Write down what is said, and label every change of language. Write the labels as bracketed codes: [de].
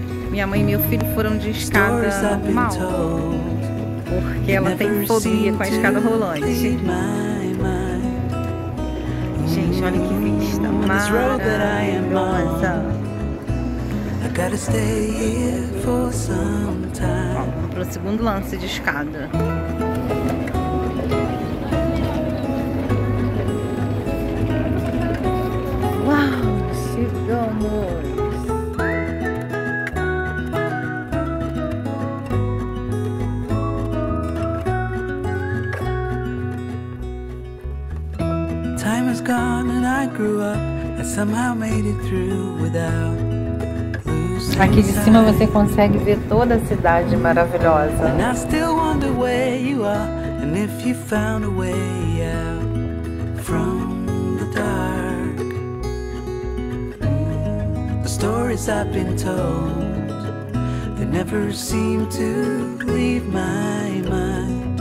[pt] Minha mãe e meu filho foram de escada mal, porque ela tem fobia com a escada rolante. Gente, olha que vista maravilhosa. [en] Gotta stay here for some time. [pt] Bom, pro segundo lance de escada. Uau, chegamos. [en] Time has gone and I grew up. I somehow made it through without. [pt] Aqui de cima você consegue ver toda a cidade maravilhosa. [en] And I still wonder where you are, and if you found a way out from the dark. The stories I've been told, they never seem to leave my mind.